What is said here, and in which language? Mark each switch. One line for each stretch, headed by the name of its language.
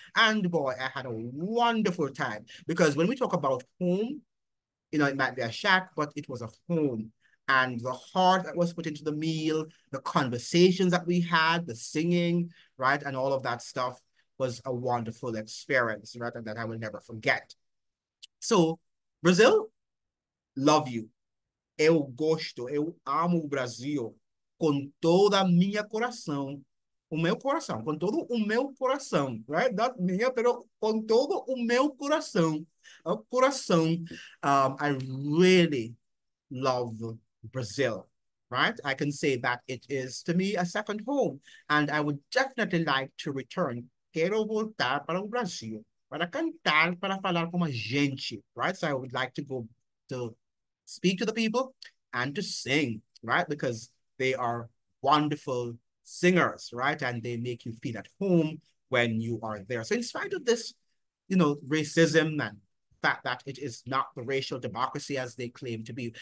English: And boy, I had a wonderful time, because when we talk about home, it might be a shack, but it was a home. And the heart that was put into the meal, the conversations that we had, the singing, right, and all of that stuff was a wonderful experience, right, and that I will never forget. So, Brazil, love you.
Portuguese: Eu gosto, eu amo o Brasil com toda a minha coração. O meu coração, com todo o meu coração,
English: right? Not
Portuguese: minha,
Spanish: pero
Portuguese: com todo o meu coração. O coração.
English: I really love Brazil, right? I can say that it is to me a second home, and I would definitely like to return.
Portuguese: Quero voltar para o Brasil, para cantar, para falar com a gente,
English: right? So I would like to go to speak to the people and to sing, right? Because they are wonderful singers, right? And they make you feel at home when you are there. So in spite of this, racism and fact that it is not the racial democracy as they claim to be.